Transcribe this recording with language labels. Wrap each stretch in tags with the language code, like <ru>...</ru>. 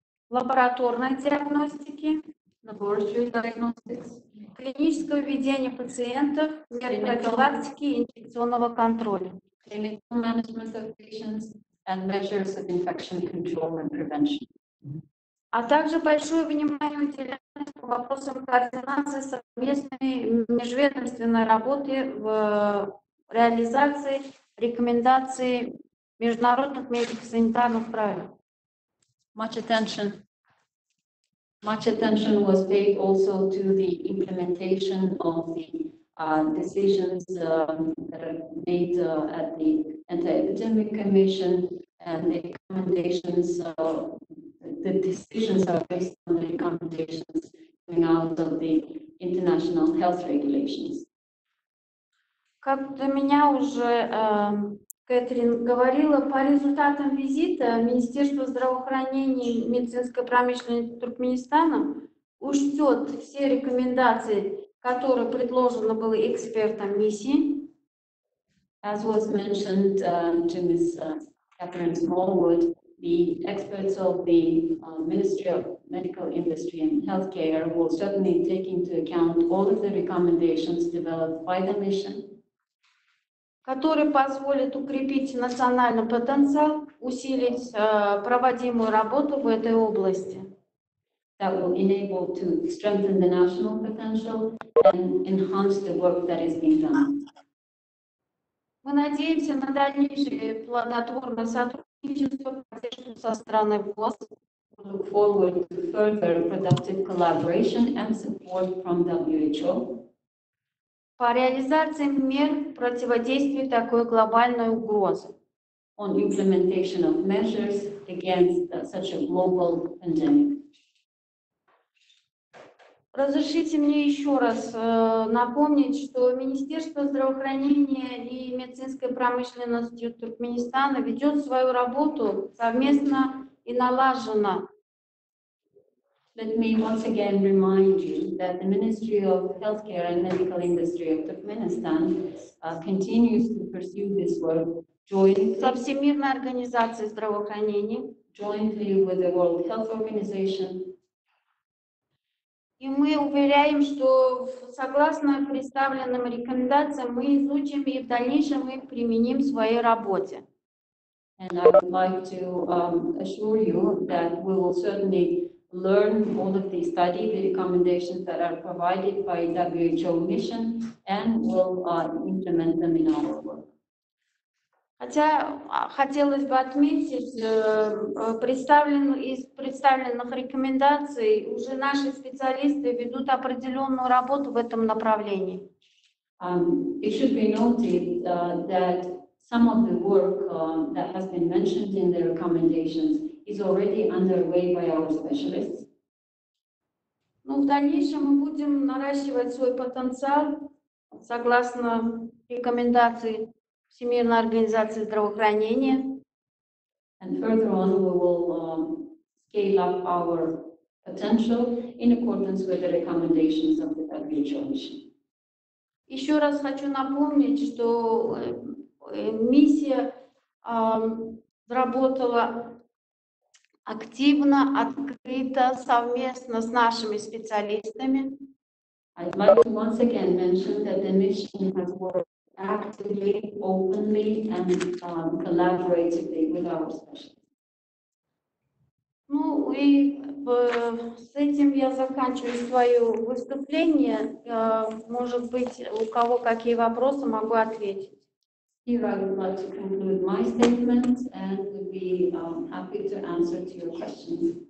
<ru>Лабораторной диагностики,</ru> <en>laboratory diagnostics,</en> <ru>клинического ведения пациентов, мер профилактики и инфекционного контроля.</ru> <en>Clinical management of patients and measures of infection control and prevention.</en> <ru>А также большое внимание уделялось по вопросам координации совместной межведомственной работы в реализации рекомендаций международных медико-санитарных правил.</ru> <en>Much attention was paid also to the implementation of the decisions that are made at the Anti-Epidemic Commission and the recommendations of the decisions are based on the recommendations coming out of the international health regulations.</en> <ru>Как для меня уже Кэтрин говорила, по результатам визита Министерство здравоохранения и медицинской промышленности Туркменистана учтет все рекомендации, которые предложены были экспертам миссии.</ru> <en>As was mentioned to Ms. Catherine Smallwood, the experts of the Ministry of Medical Industry and Healthcare will certainly take into account all of the recommendations developed by the mission,</en> <ru>которые позволят укрепить национальный потенциал, усилить проводимую работу в этой области.</ru> <en>that will enable to strengthen the national potential and enhance the work that is being done.</en> <ru>Мы надеемся на дальнейшее плодотворное сотрудничество поддержку со стороны ВОЗ.</ru> <en>Look forward to further productive collaboration and support from WHO.</en> <ru>По реализации мер противодействия такой глобальной угрозы.</ru> <en>On implementation of measures against such a global pandemic.</en> <ru>Разрешите мне еще раз напомнить, что Министерство здравоохранения и медицинской промышленности Туркменистана ведет свою работу совместно и налажено.</ru> <en>Let me once again remind you that the Ministry of Healthcare and Medical Industry of Turkmenistan continues to pursue this work jointly with the World Health Organization.</en> <ru>И мы уверяем, что согласно представленным рекомендациям мы изучим и в дальнейшем их применим в своей работе.</ru> <en>And I would like to assure you that we will certainly learn all of the study, the recommendations that are provided by WHO mission and will implement them in our work.</en> <ru>Хотя хотелось бы отметить, из представленных рекомендаций уже наши специалисты ведут определенную работу в этом направлении.</ru> <en>It should be noted that some of the work that has been mentioned in the recommendations is already underway by our specialists.</en> <ru>Ну, в дальнейшем мы будем наращивать свой потенциал согласно рекомендации Всемирной организации здравоохранения.</ru> <en>And further on, we will scale up our potential in accordance with the recommendations of the WHO mission.</en> <ru>Еще раз хочу напомнить, что миссия работала активно, открыто, совместно с нашими специалистами. I'd like to once again mention that the mission has worked actively, openly, and collaboratively with our specialists. Ну и с этим я заканчиваю свое выступление. Может быть, у кого какие вопросы, могу ответить.</ru> <en>Here I would like to conclude my statement and would be happy to answer to your questions.</en>